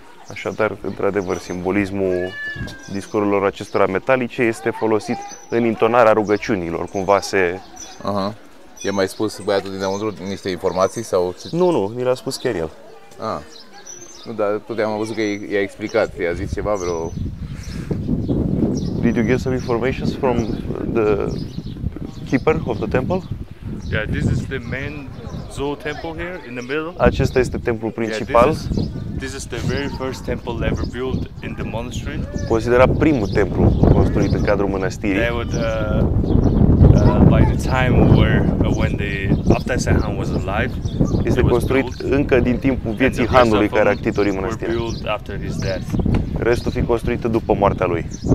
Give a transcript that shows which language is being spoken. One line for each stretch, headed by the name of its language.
Romanian: Așadar, într-adevăr, simbolismul discurilor acestora metalice este folosit în intonarea rugăciunilor, cumva se... I-a mai spus băiatul dinăuntru niște informații sau... Nu, mi l-a spus chiar el. Nu, dar tot am văzut că i-a explicat, i-a zis ceva vreo...
English: Did you get some informations from the keeper of the temple? Yeah, this is the main Zou temple here in the middle.
Romanian: Acesta este templul principal.
English: Yeah, this is the very first temple ever built in the monastery.
Romanian: Considerat primul templu construit în cadrul mănăstirii.
English: They would By the time where when the Abtai Sai Han was alive,
Romanian: este construit încă din timpul vieții Hanului care a ctitorit mănăstirea. Restul fi construit după moartea lui.